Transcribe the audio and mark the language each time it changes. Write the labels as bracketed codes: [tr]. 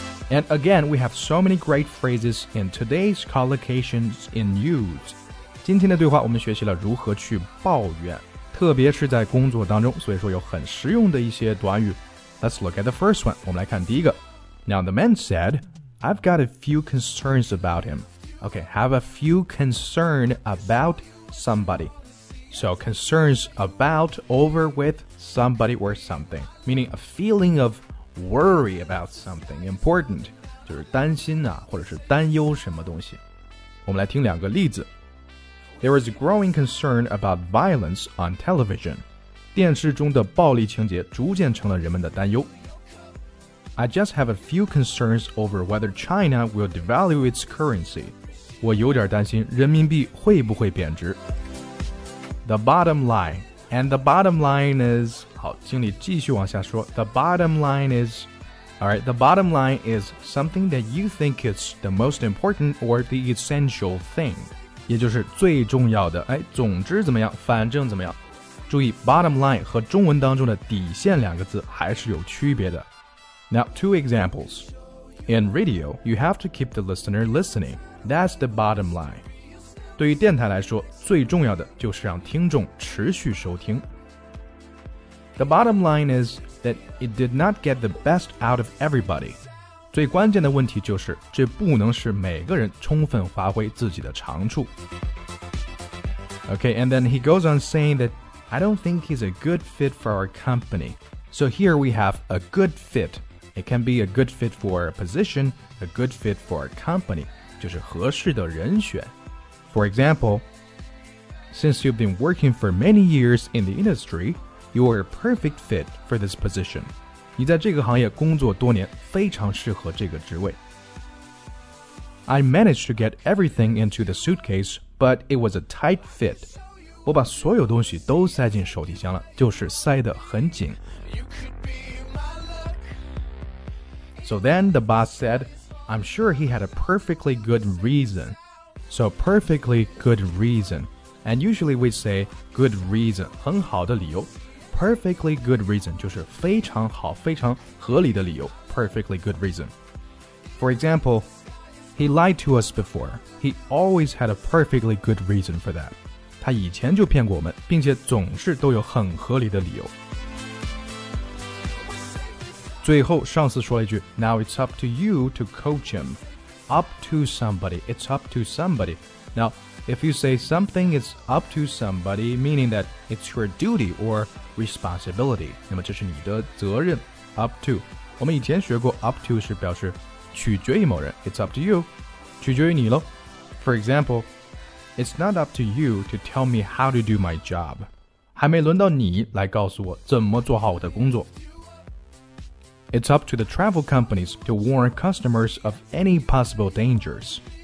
[en] And again, we have so many great phrases in today's collocations in use. [zh] 今天的对话我们学习了如何去抱怨，特别是在工作当中，所以说有很实用的一些短语。 [en] Let's look at the first one. [zh] 我们来看第一个。 [en] Now the man said, I've got a few concerns about him. Okay, have a few concerns about somebody. So concerns about, over, with somebody or something. Meaning a feeling of worry about something important. [zh] 就是担心啊或者是担忧什么东西。我们来听两个例子。 [en] There is a growing concern about violence on television. [zh] 电视中的暴力情节逐渐成了人们的担忧。 [en] I just have a few concerns over whether China will devalue its currency. [zh] 我有点担心人民币会不会贬值。 [en] The bottom line. And the bottom line is... [zh] 好，经理继续往下说。 [en] The bottom line is... Alright, the bottom line is something that you think is the most important or the essential thing. [zh] 也就是最重要的。哎，总之怎么样，反正怎么样。注意 bottom line 和中文当中的底线两个字还是有区别的。 [en] Now, two examples. In radio, you have to keep the listener listening. That's the bottom line. [zh] 对于电台来说，最重要的就是让听众持续收听。 [en] The bottom line is... that it did not get the best out of everybody. [zh] 最关键的问题就是这不能使每个人充分发挥自己的长处。 [en] Okay, and then he goes on saying that I don't think he's a good fit for our company. So here we have a good fit. It can be a good fit for a position, a good fit for a company, [zh] 就是合适的人选。 [en] For example, since you've been working for many years in the industry,You are a perfect fit for this position. [zh] 你在这个行业工作多年，非常适合这个职位。 [en] I managed to get everything into the suitcase, but it was a tight fit. [zh] 我把所有东西都塞进手提箱了，就是塞得很紧。 [en] So then the boss said, I'm sure he had a perfectly good reason. So perfectly good reason. And usually we say good reason, [zh] 很好的理由。 [en] Perfectly good reason [zh] 就是非常好非常合理的理由 [en] Perfectly good reason For example He lied to us before He always had a perfectly good reason for that [zh] 他以前就骗过我们并且总是都有很合理的理由最后上司说了一句 [en] Now it's up to you to coach him Up to somebody It's up to somebody Now if you say something is up to somebody Meaning that it's your duty orresponsibility [zh] 那么这是你的责任 [en] up to [zh] 我们以前学过 up to 是表示取决于某人 [en] it's up to you [zh] 取决于你咯 [en] for example it's not up to you to tell me how to do my job [zh] 还没轮到你来告诉我怎么做好我的工作 [en] it's up to the travel companies to warn customers of any possible dangers